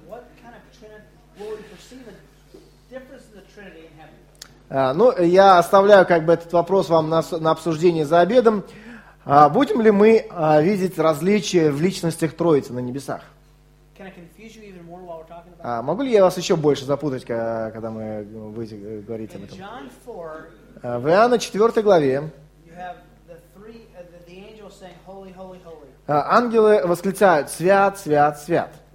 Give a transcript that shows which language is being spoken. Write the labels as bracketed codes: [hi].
[en] What kind of Trinity will we perceive a difference in the Trinity in heaven? [ru] Ну, я оставляю как бы этот вопрос вам на обсуждение за обедом. Будем ли мы видеть различия в личностях Троицы на небесах? [en] Can I confuse you even more while we're talking about? [ru] Могу ли я вас еще больше запутать, когда мы будете говорить [en] in [ru] об этом? [en] John 4, [ru] в Иоанна 4 главе. [en] You have the angel saying, holy, holy, holy. [ru] Ангелы восклицают «Свят, свят, свят».